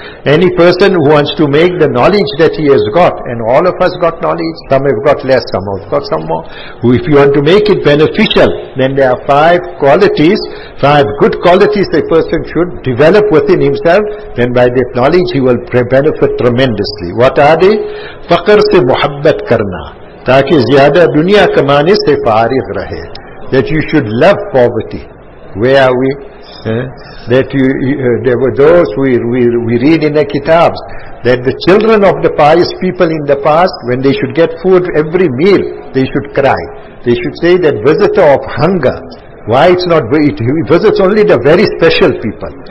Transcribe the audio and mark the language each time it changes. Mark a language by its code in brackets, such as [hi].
[en] Any person who wants to make the knowledge that he has got, and all of us got knowledge, some have got less, some have got some more. If you want to make it beneficial, then there are five good qualities a person should develop within himself, then by that knowledge he will benefit tremendously. What are they? [ur] فقر سے محبت کرنا تاکہ زیادہ دنیا کمانے سے فارغ رہے. [en] That you should love poverty. Where are we? There were those we read in the kitabs that the children of the pious people in the past, when they should get food every meal, they should cry. They should say that visitor of hunger. Why it's not, it visits only the very special people.